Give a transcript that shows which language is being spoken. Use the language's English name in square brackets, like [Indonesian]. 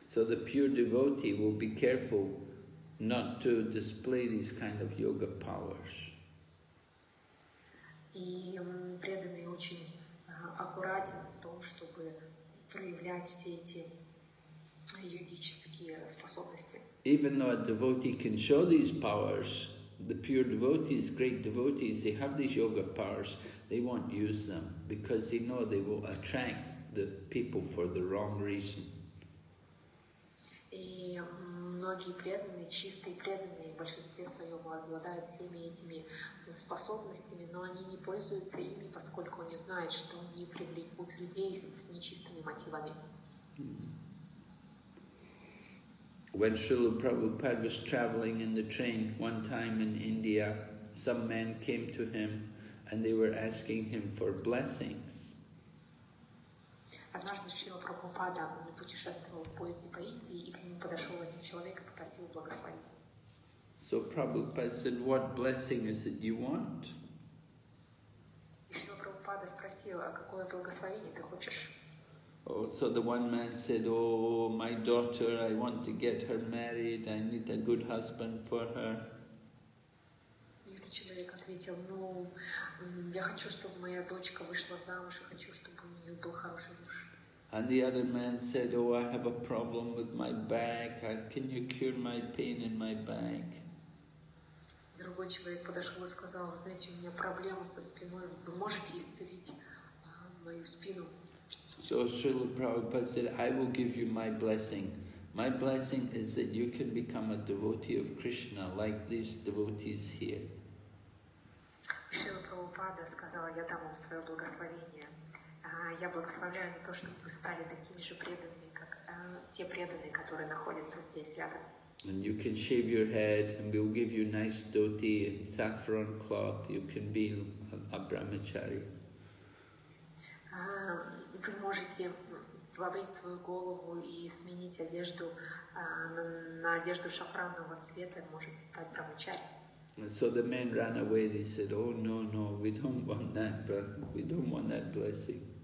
[English] So the pure devotee will be careful not to display these kind of yoga powers. [Russian] И преданный очень аккуратен в том, чтобы проявлять все эти йогические способности. [English] Even though a devotee can show these powers, the pure devotees, great devotees, they have these yoga powers, they won't use them because they know they will attract the people for the wrong reason. [Russian] И многие преданные, чистые преданные, в большинстве своем обладают всеми этими способностями, но они не пользуются ими, поскольку они знают, что они привлекут людей с нечистыми мотивами. [English] When Srila Prabhupada was traveling in the train one time in India, some men came to him and they were asking him for blessings. [Russian] Однажды Шрила Прабхупада путешествовал в поезде по Индии, и к нему подошел один человек и попросил благословения. [English] So Prabhupada said, "What blessing is it you want?" [Russian] И Шрила Прабхупада спросил, а какое благословение ты хочешь? [English] Oh, so the one man said, "Oh, my daughter, I want to get her married. I need a good husband for her." [Russian] Этот человек ответил: "Ну, я хочу, чтобы моя дочка вышла замуж. Я хочу, чтобы у нее был хороший муж." [English] And the other man said, "Oh, I have a problem with my back. Can you cure my pain in my back?" [Russian] Другой человек подошел и сказал: "Вы знаете, у меня проблема со спиной. Вы можете исцелить мою спину?" [English] So Srila Prabhupada said, "I will give you my blessing. My blessing is that you can become a devotee of Krishna like these devotees here." [Russian] Srila Prabhupada сказала, "Я дам вам свое благословение. Я благословляю на то, чтобы вы стали такими же преданными, как те преданные, которые находятся здесь рядом." [English] And you can shave your head, and we will give you nice dhoti and saffron cloth. You can be a brahmachari. [Russian] Вы можете побрить свою голову и сменить одежду на одежду шафранового цвета, можете стать брахмачари. [English] So the men ran away. They said, "Oh no, no, we don't want that, but we don't want that blessing."